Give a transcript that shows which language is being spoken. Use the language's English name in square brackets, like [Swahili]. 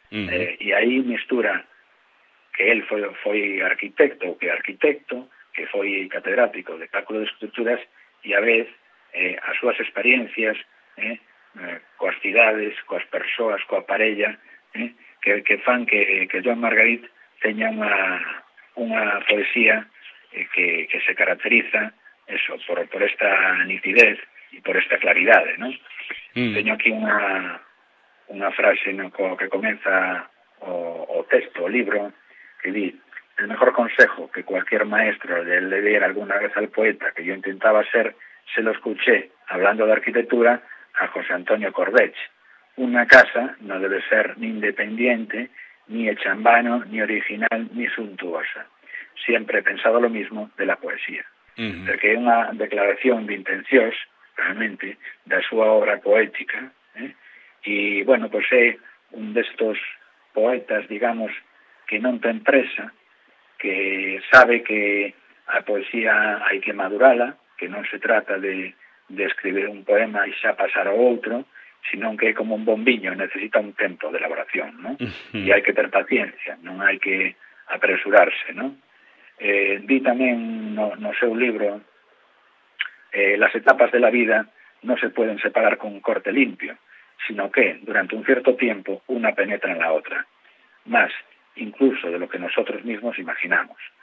[Galician] E aí mistura que él foi arquitecto, ou que arquitecto, que foi catedrático de cálculo de estruturas, e a vez as súas experiencias coas cidades, coas persoas, coa parella, que fan que Joan Margarit teña unha poesía que se caracteriza eso por esta nitidez e por esta claridade, ¿no? Teño aquí unha frase, ¿no?, que comeza o texto, o libro, que di: [Spanish] el mejor consejo que cualquier maestro le diera alguna vez al poeta que yo intentaba ser, se lo escuché hablando de arquitectura a José Antonio Cordeig: una casa no debe ser ni independiente, ni hecha en vano, ni original, ni suntuosa. Siempre he pensado lo mismo de la poesía. [Galician] Porque é unha declaración de intencións, realmente, da súa obra poética. E, bueno, pois é un destos poetas, digamos, que non ten presa, que sabe que a poesía hai que madurala, que non se trata de escribir un poema e xa pasar ao outro, sino que é como un bombiño, necesita un tempo de elaboración, ¿no? E hai que ter paciencia, non hai que apresurarse, ¿no? Di tamén no seu libro: [Spanish] las etapas de la vida no se pueden separar con un corte limpio, sino que, durante un cierto tiempo, una penetra en la otra, más incluso de lo que nosotros mismos imaginamos.